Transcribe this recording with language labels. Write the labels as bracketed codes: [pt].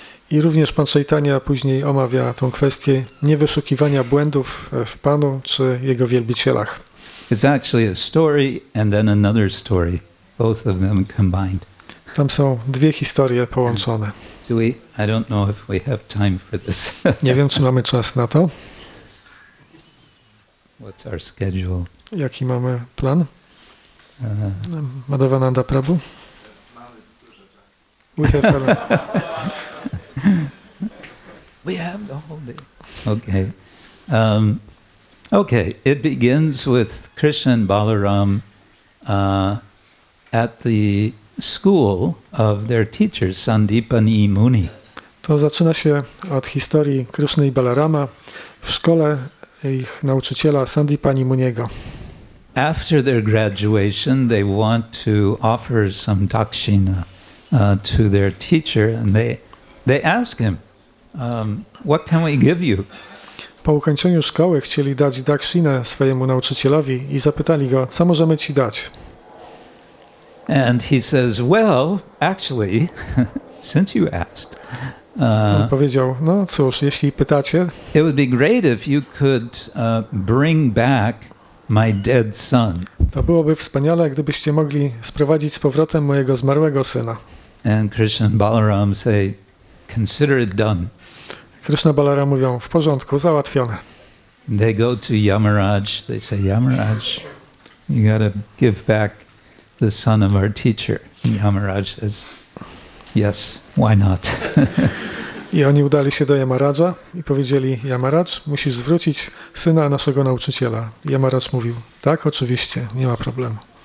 [pl] I również pan Chaitanya później omawia tą kwestię niewyszukiwania błędów w panu czy jego wielbicielach. [en] It's actually a story and then another story, both of them combined. [pl] Tam są dwie historie połączone. [en] I don't know if we have time for this. [pl] Nie wiem, czy mamy czas na to. [en] What's our schedule? [pl] Jaki mamy plan? Madhavananda Prabhu? Mamy dużo czasu. [en] We have the whole day. Okay. Okay, it begins with Krishna and Balaram at the school of their teacher, Sandipani Muni. [pl] To zaczyna się od historii Kryszny i Balarama w szkole ich nauczyciela Sandipani Muniego. [en] After their graduation, they want to offer some dakshina to their teacher, and they ask him, what can we give you? [pl] Po ukończeniu szkoły chcieli dać dakshinę swojemu nauczycielowi i zapytali go, co możemy ci dać? [en] And he says, well, actually, since you asked, [pl] powiedział, no cóż, jeśli pytacie, [en] it would be great if you could bring back my dead son. [pl] To byłoby wspaniale, gdybyście mogli sprowadzić z powrotem mojego zmarłego syna. [en] And Krishna and Balaram say, consider it done. [pl] Krishna i Balaram mówią, w porządku, załatwione. [en] They go to Yamaraj, they say, Yamaraj, you gotta give back the son of our teacher. Yamaraj says, yes, why not? [pl] I oni udali się do Yamaraja i powiedzieli, Yamaraj, musisz zwrócić syna naszego nauczyciela. Yamaraj mówił, tak, oczywiście, nie ma problemu.